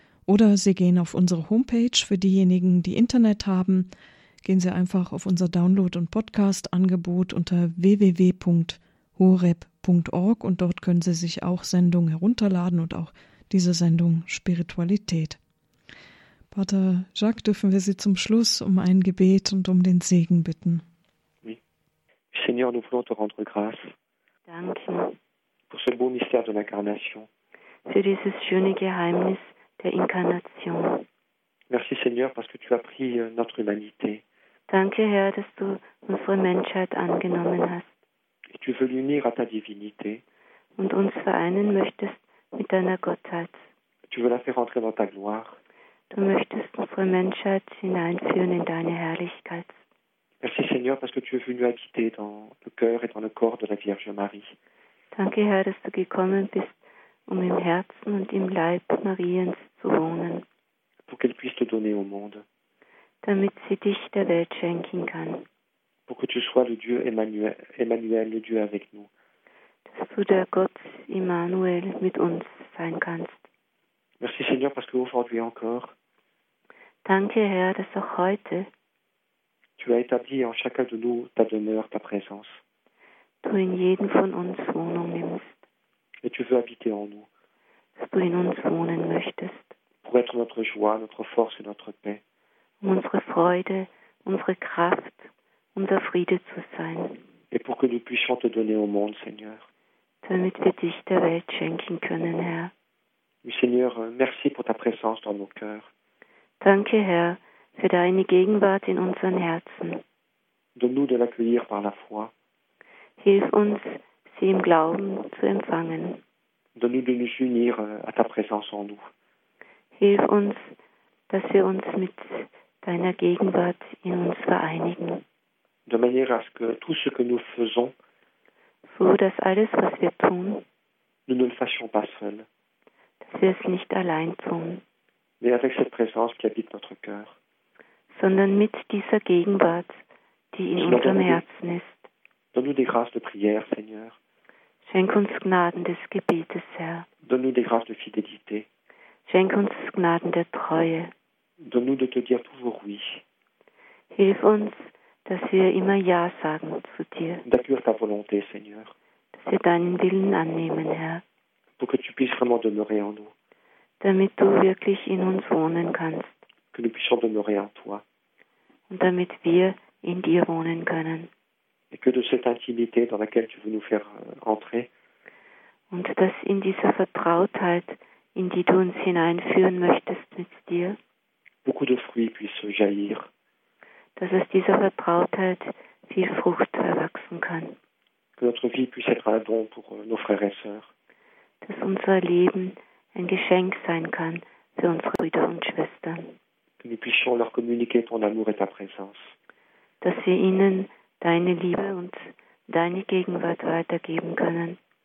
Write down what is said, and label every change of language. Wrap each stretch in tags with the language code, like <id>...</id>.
<de>Oder Sie gehen auf unsere Homepage. Für diejenigen, die Internet haben, gehen Sie einfach auf unser Download- und Podcast-Angebot unter www.horeb.org und dort können Sie sich auch Sendungen herunterladen und auch diese Sendung Spiritualität. Pater Jacques, dürfen wir Sie zum Schluss um ein Gebet und um den Segen bitten?</de> <fr>Oui. Seigneur, nous voulons te rendre grâce.</fr> <de>Danke.</de> <fr>Pour ce beau mystère de l'incarnation.</fr> <de>Für dieses schöne Geheimnis der Inkarnation.</de> <fr>Merci, Seigneur, parce que tu as pris notre humanité.</fr> <de>Danke, Herr, dass du unsere Menschheit angenommen hast.</de> <fr>Et tu veux l'unir à ta divinité.</fr> <de>Und uns vereinen möchtest mit deiner Gottheit.</de> <fr>Tu veux la faire entrer dans ta gloire.</fr> <de>Du möchtest unsere Menschheit hineinführen in deine Herrlichkeit.</de> <fr>Merci Seigneur, parce que tu es venu habiter dans le cœur et dans le corps de la Vierge Marie.</fr> <de>Danke Herr, dass du gekommen bist, um im Herzen und im Leib Mariens zu wohnen.</de> <fr>Pour qu'elle puisse te donner au monde.</fr> <de>Damit sie dich der Welt schenken kann.</de> <fr>Pour que tu sois le Dieu Emmanuel, le Dieu avec nous.</fr> <de>Dass du der Gott Emmanuel mit uns sein kannst.</de> <fr>Merci Seigneur parce que aujourd'hui encore.</fr> <de>Danke Herr, dass auch heute.</de> <fr>Tu as établi en chacun de nous ta demeure, ta présence.</fr> <de>Du in jedem von uns Wohnung nimmst.</de> <fr>Et tu veux habiter en nous.</fr> <de>Dass du in uns wohnen möchtest.</de> <fr>Pour être notre joie, notre force et notre paix.</fr> <de>Um unsere Freude, unsere Kraft, unser Friede zu sein.</de> <fr>Et pour que nous puissions te donner au monde, Seigneur.</fr> <de>Damit wir dich der Welt schenken können, Herr.</de> <fr>Oui, Seigneur, merci pour ta présence dans nos cœurs.</fr> <de>Danke, Herr, für deine Gegenwart in unseren Herzen.</de> <fr>Donne-nous de l'accueillir par la foi.</fr> <de>Hilf uns, sie im Glauben zu empfangen.</de> <fr>Donne-nous de nous unir à ta présence en nous.</fr> <de>Hilf uns, dass wir uns mit deiner Gegenwart in uns vereinigen.</de> <fr>De manière à ce que tout ce que nous faisons,</fr> <de>so dass alles, was wir tun,</de> <fr>nous ne le fassions pas seul.</fr> <de>Dass wir es nicht allein tun,</de> <fr>mais avec cette présence qui habite notre cœur,</fr> <de>sondern mit dieser Gegenwart, die in unserem Herzen ist.</de> <fr>Donne-nous des grâces de prière, Seigneur.</fr> <de>Schenk uns Gnaden des Gebetes, Herr.</de> <fr>Donne-nous des grâces de fidélité.</fr> <de>Schenk uns Gnaden der Treue.</de> <fr>Donne-nous de te dire toujours oui.</fr> <de>Hilf uns, dass wir immer Ja sagen zu dir.</de> <fr>D'accueillir ta volonté, Seigneur.</fr> <de>Dass wir deinen Willen annehmen, Herr.</de> <fr>Pour que tu puisses vraiment demeurer en nous.</fr> <de>Damit du wirklich in uns wohnen kannst.</de> <fr>Que nous puissions demeurer en toi.</fr> <de>Und damit wir in dir wohnen können.</de> <fr>Et que de cette intimité dans laquelle tu veux nous faire entrer.</fr> <de>Und dass in dieser Vertrautheit, in die du uns hineinführen möchtest mit dir.</de> <fr>Beaucoup de fruits puissent jaillir.</fr> <de>Dass aus dieser Vertrautheit viel Frucht erwachsen kann.</de> <fr>Que notre vie puisse être un don pour nos frères et sœurs.</fr> <de>Dass unser Leben ein Geschenk sein kann für unsere Brüder und Schwestern.</de> <fr>Que nous puissions leur communiquer ton amour et ta présence.</fr> <de>Dass wir ihnen deine Liebe und deine Gegenwart weitergeben können.</de>